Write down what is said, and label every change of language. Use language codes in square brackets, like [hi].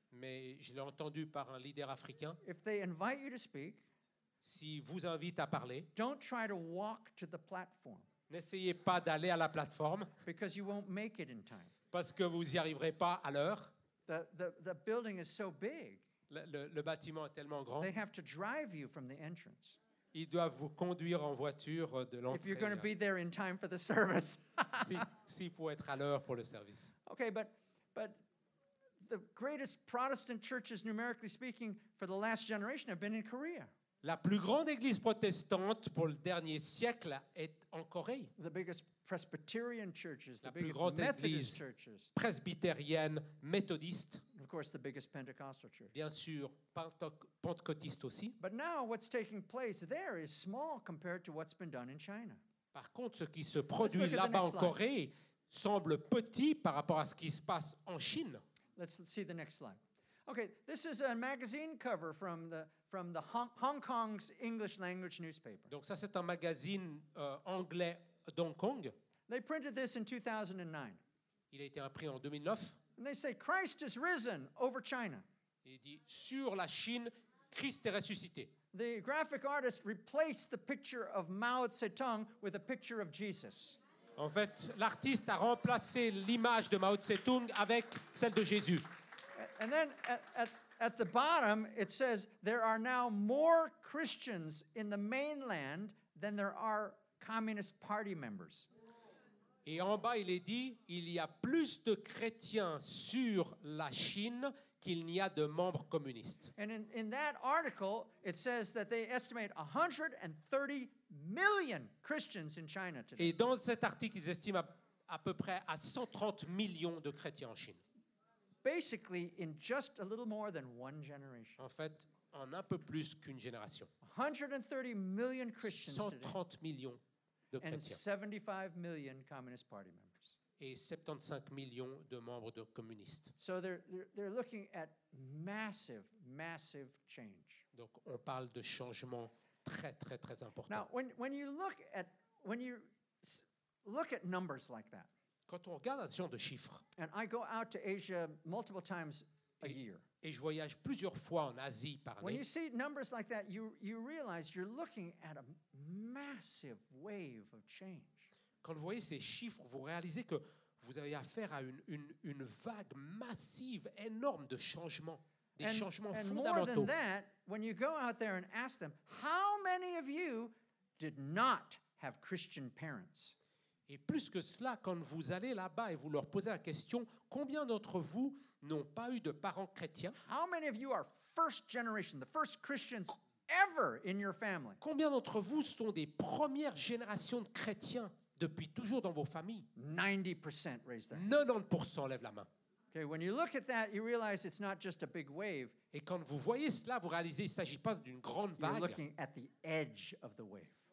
[fr] Mais je l'ai entendu par un leader africain. [en] If they invite you to speak, [fr] si vous invite à parler, [en] don't try to walk to the platform. [fr] N'essayez pas d'aller à la plateforme. [en] Because you won't make it in time. [fr] Parce que vous y arriverez pas à l'heure. [en] The building is so big. [fr] Le bâtiment est tellement grand. [en] They have to drive you from the entrance. [fr] Ils doivent vous conduire en voiture de l'entrée. [en] If you're going to be there in time for the service. [fr] S'il faut être à l'heure pour le service. [en] Okay, but the greatest Protestant churches, numerically speaking, for the last generation have been in Korea. [fr] La plus grande église protestante pour le dernier siècle est en Corée. [en] The biggest Presbyterian churches, [fr] la [en] the biggest Methodist churches. [fr] Presbytérienne, méthodiste. [en] Of course, the biggest Pentecostal church. [fr] Bien sûr, pentecôtiste aussi. [en] But now what's taking place there is small compared to what's been done in China. Par contre, ce qui se produit là-bas en Corée semble petit par rapport à ce qui se passe en Chine. Let's see the next slide. Okay, this is a magazine cover from the Hong Kong's English language newspaper. [fr] Donc ça c'est un magazine anglais d'Hong Kong. [en] They printed this in 2009. [fr] Il a été imprimé en 2009. [en] And they say Christ is risen over China. [fr] Il dit sur la Chine, Christ est ressuscité. [en] The graphic artist replaced the picture of Mao Zedong with a picture of Jesus. [fr] En fait, l'artiste a remplacé l'image de Mao Zedong avec celle de Jésus. [en] And then at the bottom, it says, there are now more Christians in the mainland than there are Communist Party members. [fr] Et en bas, il est dit, il y a plus de chrétiens sur la Chine qu'il n'y a de membres communistes. [en] And in that article, it says that they estimate 130 million Christians in China today. [fr] Et dans cet article, ils estiment à peu près à 130 millions de chrétiens en Chine. [en] Basically, in just a little more than one generation. [fr] En fait, en un peu plus qu'une génération. [en] 130 million Christians today. [fr] 130 millions de chrétiens. [en] And 75 million Communist Party members. [fr] Et 75 millions de membres de communistes. [en] So they're looking at massive, massive change. [fr] Donc on parle de changements très, très, très importants. [en] Now, when you look at numbers like that, [fr] quand on regarde ce genre de chiffres, [en] and I go out to Asia multiple times a year, [fr] et je voyage plusieurs fois en Asie par année, [en] when you see numbers like that, you realize you're looking at a massive wave of change. [fr] Quand vous voyez ces chiffres, vous réalisez que vous avez affaire à une vague massive, énorme de changements, des changements fondamentaux. [en] And more than that, when you go out there and ask them, how many of you did not have Christian parents? [fr] Et plus que cela, quand vous allez là-bas et vous leur posez la question, combien d'entre vous n'ont pas eu de parents chrétiens? [en] How many of you are first generation, the first Christians ever in your family? [fr] Combien d'entre vous sont des premières générations de chrétiens depuis toujours dans vos familles? [en] 90% raise their hand. [fr] 90% lève la main. [en] Okay, when you look at that, you realize it's not just a big wave. [fr] Et quand vous voyez cela, vous réalisez qu'il ne s'agit pas d'une grande vague. [en] You're looking at the edge of the wave.